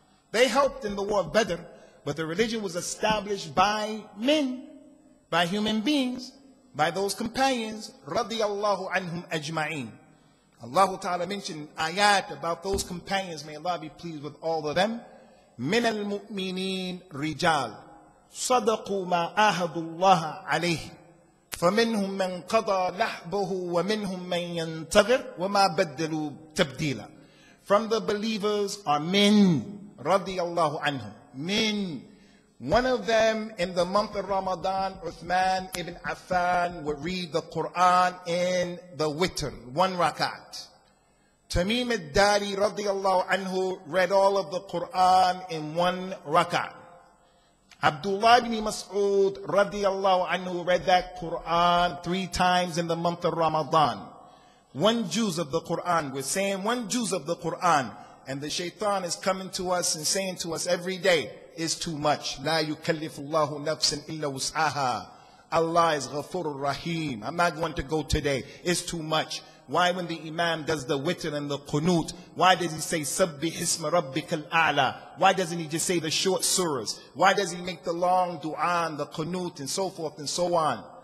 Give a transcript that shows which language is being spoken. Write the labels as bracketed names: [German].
[English] They helped in the war of Badr, but the religion was established by men, by human beings, by those companions, radiallahu anhum ajma'een. Allah Ta'ala mentioned ayat about those companions. May Allah be pleased with all of them. [Arabic] من المؤمنين رجال صدقوا ما عاهد الله عليه فمنهم من قضى لحبه ومنهم من ينتظر وما بدلوا تبديلا. [English] From the believers are men, [Arabic] رضي الله عنهم. [English] Men. One of them in the month of Ramadan, Uthman ibn Affan, would read the Quran in the witr, one rakat. Tamim al-Dari, [Arabic] رضي الله عنه, [English] read all of the Quran in one rakat. Abdullah ibn Mas'ud, [Arabic] رضي الله عنه, [English] read that Quran three times in the month of Ramadan. One juz of the Quran, we're saying one juz of the Quran, and the shaitan is coming to us and saying to us every day, is too much. [Arabic] لا يكلف الله نفسا إلا وسعها. [English] Allah is [Arabic] غفور الرحيم. [English] I'm not going to go today. It's too much. Why when the imam does the witr and the qunut, why does he say [Arabic] سَبِّحِ اسْمَ رَبِّكَ الْأَعْلَى? [English] Why doesn't he just say the short surahs? Why does he make the long dua and the qunut and so forth and so on?